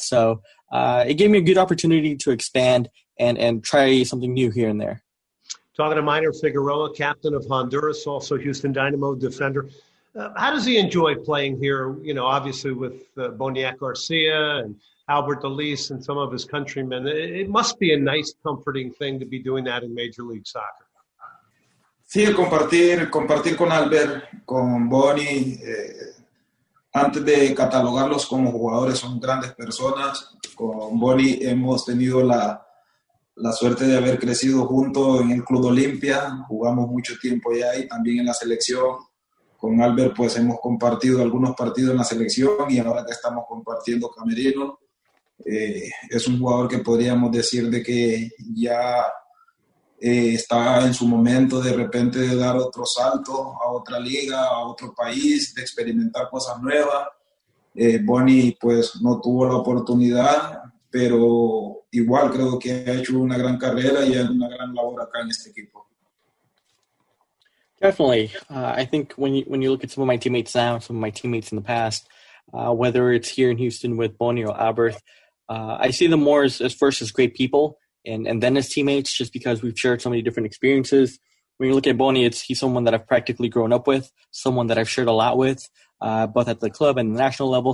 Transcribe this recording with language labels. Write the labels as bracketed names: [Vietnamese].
[English] So it gave me a good opportunity to expand and try something new here and there. Talking to Minor Figueroa, captain of Honduras, also Houston Dynamo defender. How does he enjoy playing here? You know, obviously with Boniac Garcia and Albert Delis and some of his countrymen. It must be a nice, comforting thing to be doing that in Major League Soccer. [Spanish] Sí, compartir con Albert, con Boni, antes de catalogarlos como jugadores, son grandes personas. Con Boni hemos tenido la suerte de haber crecido junto en el Club Olimpia. Jugamos mucho tiempo allá y también en la selección. Con Albert, pues, hemos compartido algunos partidos en la selección y ahora que estamos compartiendo camerino. Es un jugador que podríamos decir de que ya está en su momento de repente de dar otro salto a otra liga, a otro país, de experimentar cosas nuevas. Boni, pues, no tuvo la oportunidad, pero igual creo que ha hecho una gran carrera y una gran labor acá en este equipo. [English] Definitely. I think when you look at some of my teammates now, some of my teammates in the past, whether it's here in Houston with Boni or Albert, I see them more as first as great people and then as teammates just because we've shared so many different experiences. When you look at Boni, he's someone that I've practically grown up with, someone that I've shared a lot with, both at the club and the national level.